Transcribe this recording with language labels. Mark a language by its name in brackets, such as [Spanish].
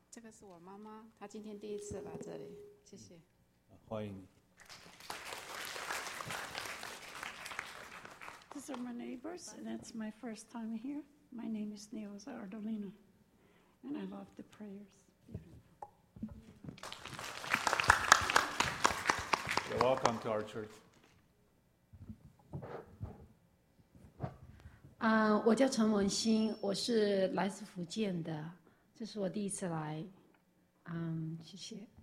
[Chinese] 这个是我妈妈，她今天第一次来这里，谢谢。欢迎你。 [English] These are my neighbors, and that's my first time here. My name is Neosa Ardolina, and I love the prayers. You're welcome to our church. [Chinese] 我叫陈文馨，我是来自福建的，这是我第一次来。谢谢。